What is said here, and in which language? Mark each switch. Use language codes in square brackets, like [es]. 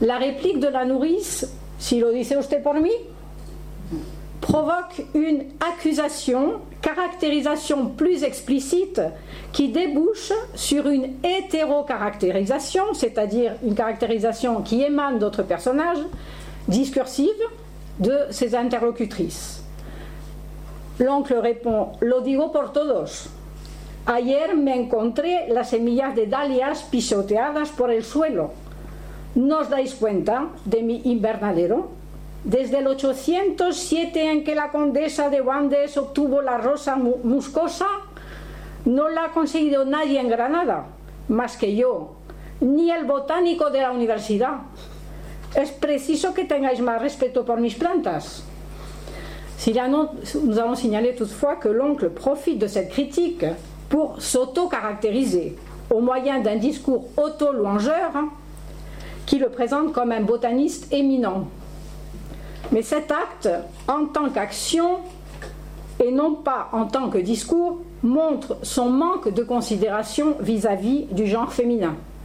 [fr] La réplique de la nourrice [es] « Si lo dice usted por mí ?» [fr] provoque une accusation, caractérisation plus explicite, qui débouche sur une hétérocaractérisation, c'est-à-dire une caractérisation qui émane d'autres personnages, discursive, de ses interlocutrices. L'oncle répond [es] « Lo digo por todos. Ayer me encontré las semillas de dahlias pisoteadas por el suelo. ¿No os dais cuenta de mi invernadero? Desde el 807 en que la condesa de Wandes obtuvo la rosa muscosa, no la ha conseguido nadie en Granada, más que yo, ni el botánico de la universidad. Es preciso que tengáis más respeto por mis plantas. [fr] Nous allons signaler toutefois que l'oncle profite de cette critique pour s'auto-caractériser au moyen d'un discours auto-louangeur qui le présente comme un botaniste éminent. Mais cet acte, en tant qu'action et non pas en tant que discours, montre son manque de considération vis-à-vis du genre féminin.